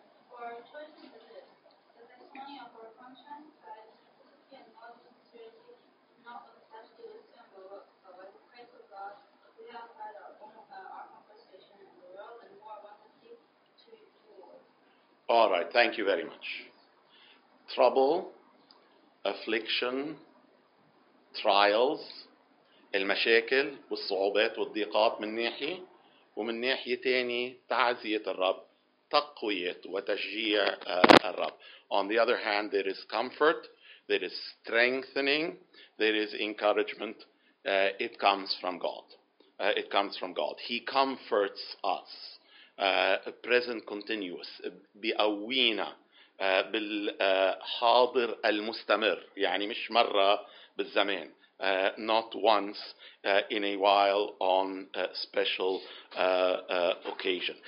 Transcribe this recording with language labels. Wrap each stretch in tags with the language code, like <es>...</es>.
<en>For our choice is this, the testimony of our conscience, as simplicity and love and sincerity, not of the flesh, but of the grace of God, we have had our conversation in the world and more abundantly to you. All right, thank you very much. Trouble, affliction, trials,</en> <ar>المشاكل والصعوبات والضيقات من ناحية ومن ناحية تاني تعزية الرب تقوية وتشجيع الرب.</ar> <en>On the other hand, there is comfort, there is strengthening, there is encouragement. It comes from God. It comes from God. He comforts us. Present continuous.</en> <ar>بأوينا بالحاضر المستمر. يعني مش مرة بالزمان.</ar> <en>Not once in a while on a special occasion.</en>